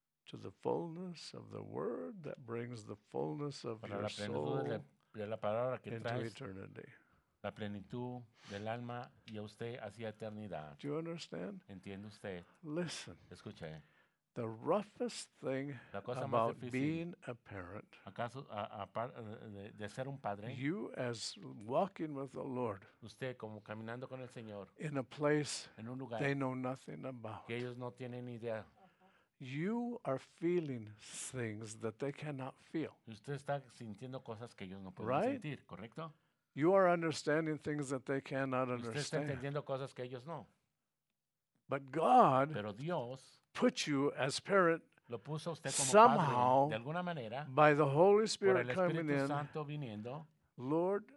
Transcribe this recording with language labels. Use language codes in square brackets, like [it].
[en] To the fullness of the word that brings the fullness of [es] para [en] your soul [es] de la palabra que [en] into eternity. [es] La plenitud del alma y a usted hacia eternidad. [en] Do you understand? [es] ¿Entiende usted? [en] Listen. [es] Escuche. [en] The roughest thing [es] la cosa [en] about [es] más difícil, [en] being a parent, [es] acaso, de ser un padre, [en] you as walking with the Lord, [es] usted como caminando con el Señor, [en] in a place [es] en un lugar [en] they know nothing about. [es] Que ellos no tienen ni idea. [en] You are feeling things that they cannot feel. [es] Usted está sintiendo cosas que ellos no pueden [en] right? [es] sentir, ¿correcto? [en] You are understanding things that they cannot understand. [es] Usted está entendiendo cosas que ellos no. [en] But God [es] pero Dios [en] put you as parent [es] lo puso usted como [en] somehow [es] padre, de alguna manera, [en] by the Holy Spirit [es] por el Espíritu [en] coming [es] Santo [en] in. [es] Viniendo, [en] Lord,